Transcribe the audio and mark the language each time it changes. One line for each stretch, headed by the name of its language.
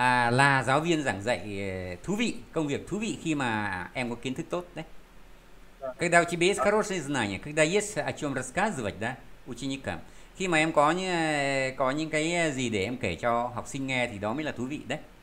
Vietnamese: Là giáo viên giảng dạy thú vị, công việc thú vị khi mà em có kiến thức tốt đấy.
Russian: Когда у тебя есть хорошие знания, когда есть о чем рассказывать, да, ученикам.
Vietnamese: Khi mà em có những cái gì để em kể cho học sinh nghe thì đó mới là thú vị đấy.